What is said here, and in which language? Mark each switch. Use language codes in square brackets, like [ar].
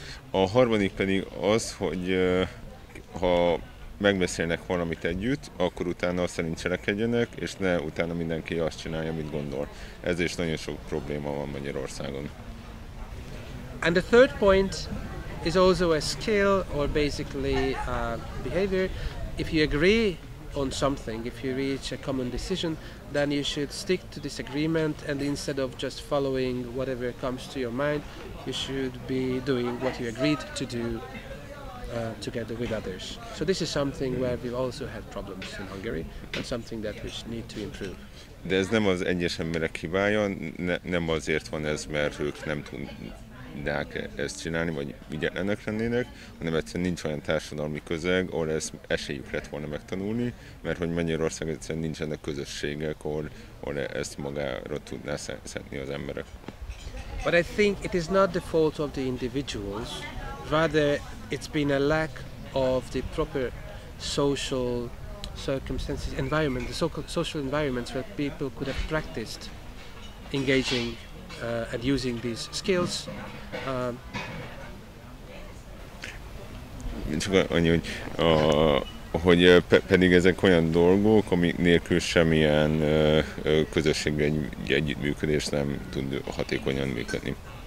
[hu] A harmadik pedig az, hogy ha megbeszélnek valamit együtt, akkor utána szerint cselekedjenek, és ne utána mindenki azt csinálja, amit gondol. Ez is nagyon sok probléma van Magyarországon. [en] And the third point is also a skill, or basically a behavior. If you agree on something, if you reach a common decision, then you should stick to this agreement, and instead of just following whatever comes to your mind, you should be doing what you agreed to do together with others. So this is something where we've also had problems in Hungary, and something that we need to improve. [hu] De ez nem az egyes emberek hibája, nem azért van ez, mert ők nem tudnák ezt csinálni, vagy ügyetlenek lennének, hanem egyszerűen nincs olyan társadalmi közeg, ahol ezt esélyük lett volna megtanulni, mert hogy Magyarország egyszerűen nincsenek közösségek, ahol ezt magára tudná szedni az emberek. [en] But I think it is not the fault of the individuals, rather it's been a lack of the proper social circumstances, environment, the social environments where people could have practiced engaging and using these skills. [hu] Csak annyi, hogy pedig ezek olyan dolgok, amik nélkül semmilyen közösségi együttműködés nem tud hatékonyan működni.